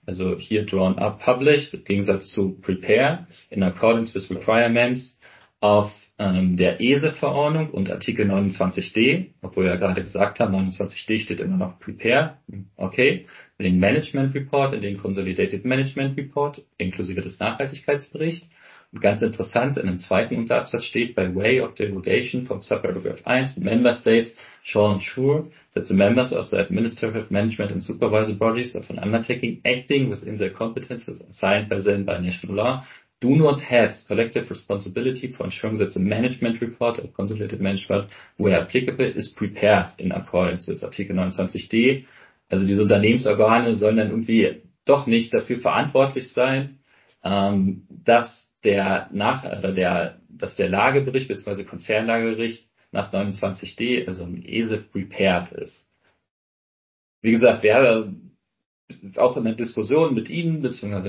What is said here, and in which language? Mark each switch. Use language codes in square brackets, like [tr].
[de] Also hier [en] drawn up, published, [de] im Gegensatz zu prepare, [en] in accordance with requirements of [de] der ESEF-Verordnung und Artikel 29d, obwohl wir ja gerade gesagt haben, 29d steht immer noch prepare, okay, den Management Report, in den Consolidated Management Report, inklusive des Nachhaltigkeitsberichts. Und ganz interessant, in einem zweiten Unterabsatz steht, [en] by way of delegation from subparagraph 1, Member States shall ensure that the members of the administrative management and supervisory bodies of an undertaking acting within their competences assigned by them by national law do not have collective responsibility for ensuring that the management report of consolidated management, where applicable, is prepared in accordance with Article 29d. [de] Also diese Unternehmensorgane sollen dann irgendwie doch nicht dafür verantwortlich sein, dass der Lagebericht bzw. Konzernlagebericht nach 29d, also im ESEF, prepared ist. Wie gesagt, wäre auch in der Diskussion mit Ihnen bzw.